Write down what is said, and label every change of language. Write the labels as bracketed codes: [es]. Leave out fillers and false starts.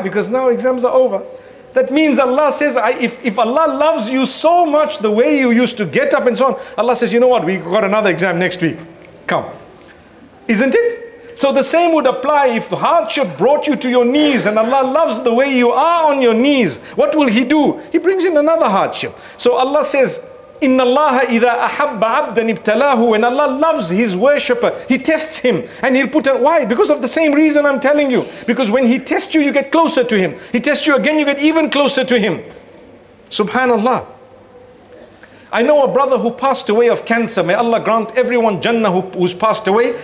[en] Because now exams are over. That means Allah says, if Allah loves you so much the way you used to get up and so on, Allah says, you know what? We got another exam next week. Come. Isn't it? So the same would apply if hardship brought you to your knees and Allah loves the way you are on your knees. What will He do? He brings in another hardship. So Allah says, [ar] إِنَّ اللَّهَ إِذَا أَحَبَّ عَبْدًا ابْتَلَاهُ. [en] When Allah loves His worshipper, He tests him and He'll put a... Why? Because of the same reason I'm telling you. Because when He tests you, you get closer to Him. He tests you again, you get even closer to Him. Subhanallah. I know a brother who passed away of cancer. May Allah grant everyone Jannah who's passed away.